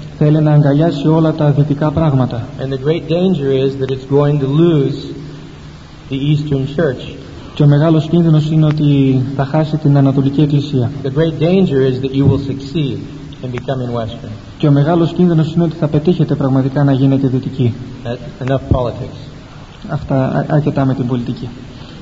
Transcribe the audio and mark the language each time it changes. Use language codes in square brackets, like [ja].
[el] Θέλει να αγκαλιάσει όλα τα δυτικά πράγματα. [en] And the great danger is that it's going to lose the Eastern Church. [el] Και ο μεγάλος κίνδυνος είναι ότι θα χάσει την Ανατολική Εκκλησία. [en] The great danger is that you will succeed in becoming Western. [el] Και ο μεγάλος κίνδυνος είναι ότι θα πετύχετε πραγματικά να γίνετε δυτικοί. [en] Enough politics. [el] Αυτά αρκετά με την πολιτική.